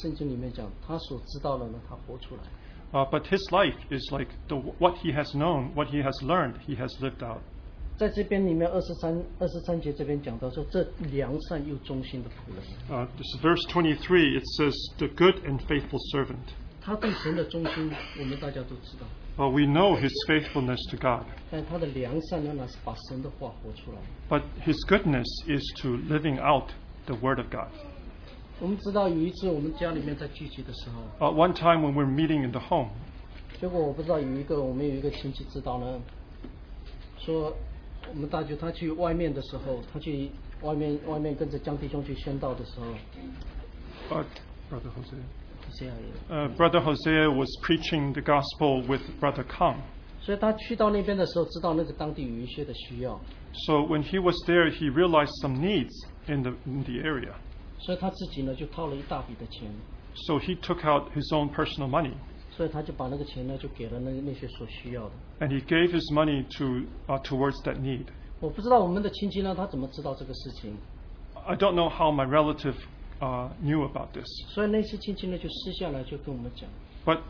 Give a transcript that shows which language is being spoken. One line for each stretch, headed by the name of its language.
Chinese: 但是他的生命呢，就像圣经里面讲，他所知道的呢，他活出来。
English: But his life is like the what he has known, what he has learned, he has lived out.
Chinese: 在这边里面23节这边讲到说这良善又忠心的仆人
English: This verse 23 it says the good and faithful servant
Chinese: 他对神的忠心 我们大家都知道
English: We know his faithfulness to God
Chinese: 但他的良善呢是把神的话活出来
English: But his goodness is to living out the word of God
Chinese: 我们知道有一次我们家里面在聚集的时候
English: One time when we're meeting in the home
Chinese: 结果我不知道有一个我们有一个亲戚知道呢 说 我们大舅他去外面的时候，他去外面跟着江弟兄去宣道的时候
English: Brother Hosea was preaching the gospel with Brother Kang.
Chinese: 所以他去到那边的时候，知道那个当地有一些的需要。
English: So when he was there, he realized some needs in the area.
Chinese: 所以他自己呢就掏了一大笔的钱。
English: So he took out his own personal money.
Chinese: 所以他就把那个钱呢就给了那些所需要的。
English: And he gave his money to towards that need.
Chinese: 我不知道我们的亲戚呢，他怎么知道这个事情
English: ？I don't know how my relative knew about this.
Chinese: 所以那些亲戚呢，就私下来就跟我们讲。
English: But